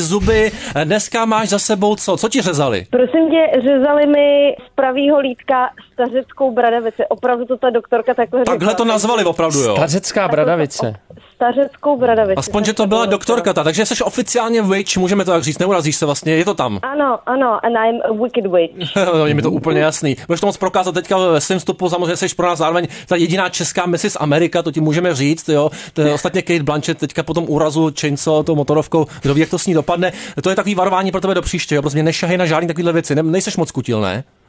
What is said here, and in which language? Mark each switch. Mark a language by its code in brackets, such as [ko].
[cs] zuby, dneska máš za sebou co? Co ti řezali? Prosím tě, řezali mi z pravýho lítka stařeckou bradavice. Opravdu to ta doktorka takhle řekla. Takhle to nazvali opravdu, jo? Stařecká bradavice. Stařeckou bradavici. Aspoň, že to byla doktorka ta, takže jsi oficiálně witch, můžeme to tak říct, neurazíš se vlastně, je to tam. Ano, ano, [en] and I'm a wicked witch. [cs] No, je mi to úplně jasný. Můžeš to moc prokázat teďka ve svým vstupu, samozřejmě jsi pro nás zároveň ta jediná česká Mrs. America, to to ti můžeme říct, jo. Ostatně Kate Blanchett teďka po tom úrazu Chainsaw tou motorovkou, kdo ví, jak to s ní dopadne. To je takový varování pro tebe do příště, jo. Prostě nešahej na žádný takovýhle věci, nejseš moc kutilné.